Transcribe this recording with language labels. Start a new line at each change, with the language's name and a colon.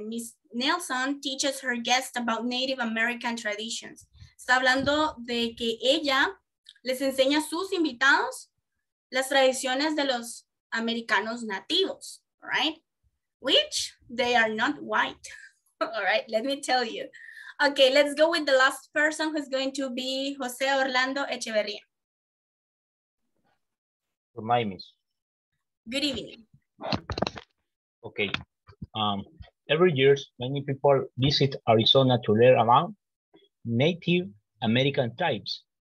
English: Miss Nelson teaches her guests about Native American traditions.
Spanish: Está hablando de que ella les enseña a sus invitados las tradiciones de los americanos nativos,
English: right? Which they are not white. All right, let me tell you. Okay, let's go with the last person who's going to be Jose Orlando Echeverria. Good night, miss. Good evening. Okay. Every year, many people visit Arizona to learn about Native American tribes.